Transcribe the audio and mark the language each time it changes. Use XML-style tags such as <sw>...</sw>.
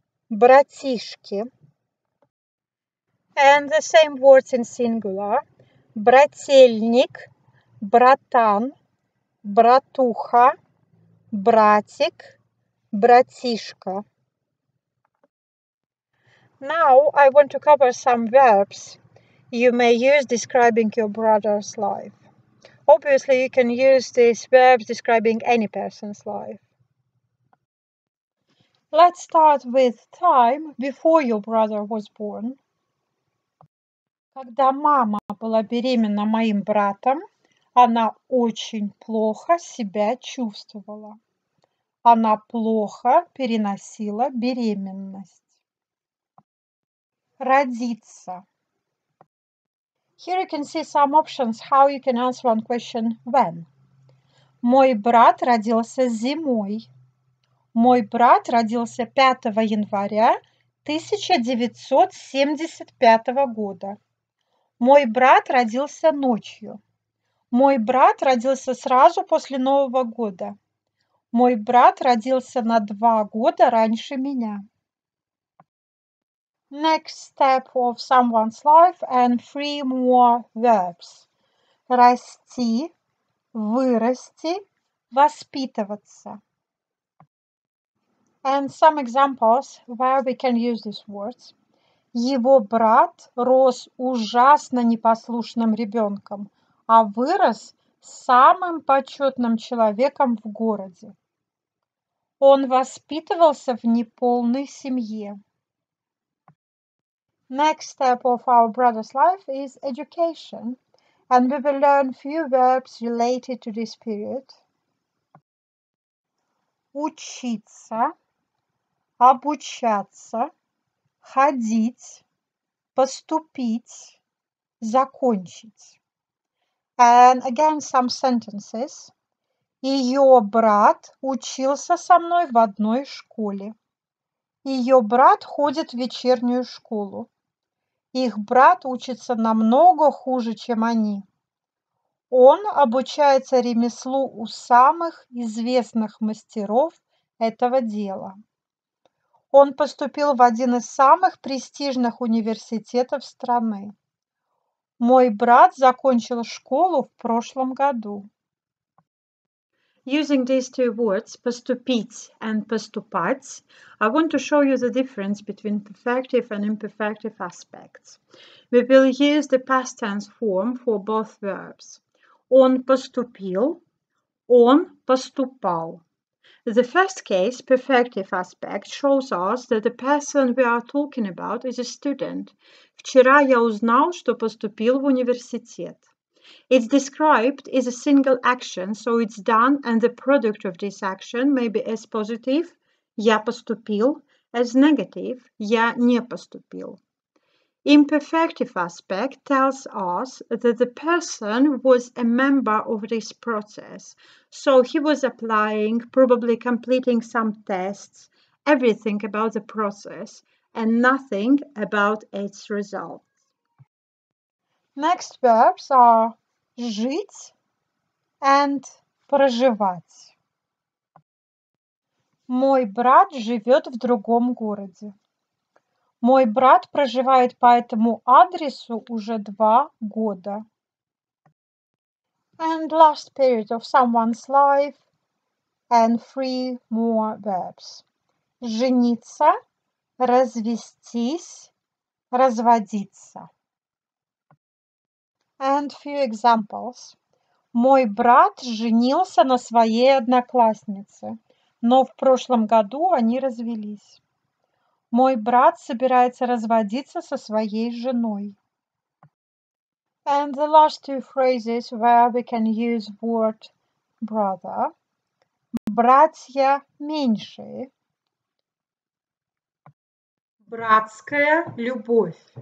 <en>братишки. And the same words in singular.</en> <ru>Брательник, братан, братуха, братик, братишка.</ru> <en>Now I want to cover some verbs you may use describing your brother's life. Obviously, you can use these verbs describing any person's life. Let's start with time before your brother was born.</en> <ru>Когда мама была беременна моим братом, она очень плохо себя чувствовала. Она плохо переносила беременность. Родиться.</ru> <en>Here you can see some options how you can answer one question when.</en> <ru>Мой брат родился зимой. Мой брат родился 5 января 1975 года. Мой брат родился ночью. Мой брат родился сразу после Нового года. Мой брат родился на 2 года раньше меня.</ru> <en>Next step of someone's life and 3 more verbs.</en> <ru>Расти, вырасти, воспитываться.</ru> <en>And some examples where we can use these words.</en> <ru>Его брат рос ужасно непослушным ребенком, а вырос самым почетным человеком в городе. Он воспитывался в неполной семье.</ru> <en>Next step of our brother's life is education, and we will learn few verbs related to this period.</en> <ru>Учиться, обучаться, ходить, поступить, закончить.</ru> <en>And again some sentences.</en> <ru>Ее брат учился со мной в одной школе. Ее брат ходит в вечернюю школу. Их брат учится намного хуже, чем они. Он обучается ремеслу у самых известных мастеров этого дела. Он поступил в один из самых престижных университетов страны. Мой брат закончил школу в прошлом году.</ru> <en>Using these two words, поступить and поступать, I want to show you the difference between perfective and imperfective aspects. We will use the past tense form for both verbs.</en> <ru>Он поступил, он поступал.</ru> <en>The first case, perfective aspect, shows us that the person we are talking about is a student.</en> <ru>Вчера я узнал, что поступил в университет.</ru> <en>It's described as a single action, so it's done, and the product of this action may be as positive,</en> <ru>я поступил,</ru> <en>as negative,</en> <ru>я не поступил.</ru> <en>Imperfective aspect tells us that the person was a member of this process, so he was applying, probably completing some tests, everything about the process, and nothing about its result. Next verbs are жить and проживать.</en> <ru>Мой брат живет в другом городе. Мой брат проживает по этому адресу уже 2 года.</ru> <en>And last period of someone's life and 3 more verbs.</en> <ru>Жениться, развестись, разводиться.</ru> <en>And few examples.</en> <ru>Мой брат женился на своей однокласснице, но в прошлом году они развелись. Мой брат собирается разводиться со своей женой.</ru> <en>And the last two phrases where we can use word brother.</en> <ru>Братья меньшие. Братская любовь.</ru>